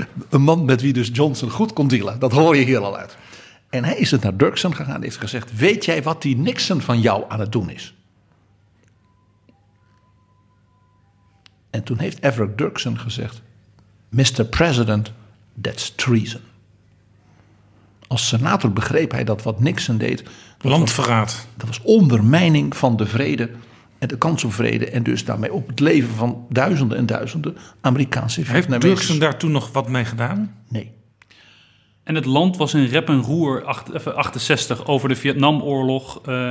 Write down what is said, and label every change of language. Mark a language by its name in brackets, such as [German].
[Dutch] Een man met wie dus Johnson goed kon dealen, dat hoor je hier al uit. En hij is het naar Dirksen gegaan en heeft gezegd, weet jij wat die Nixon van jou aan het doen is? En toen heeft Everett Dirksen gezegd, Mr. [English] President, that's treason. [Dutch] Als senator begreep hij dat wat Nixon deed, landverraad. Dat was ondermijning van de vrede en de kans op vrede en dus daarmee op het leven van duizenden en duizenden Amerikaanse vijfnemers. Heeft Dirksen daar toen nog wat mee gedaan? Nee. En het land was in rep en roer, 68, over de Vietnamoorlog.